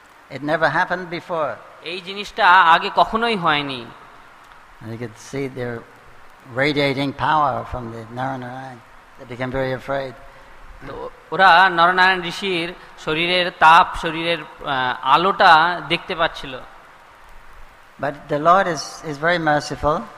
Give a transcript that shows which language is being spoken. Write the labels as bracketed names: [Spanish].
[English] It never happened before. [Bangla] এই জিনিসটা আগে কখনোই হয়নি। [English] You could see their radiating power from the Narayan. They became very afraid. [Bangla] তো ওরা নরনারায়ণ ঋষির শরীরের তাপ, শরীরের আলোটা দেখতে পাচ্ছিল। [English] But the Lord is very merciful.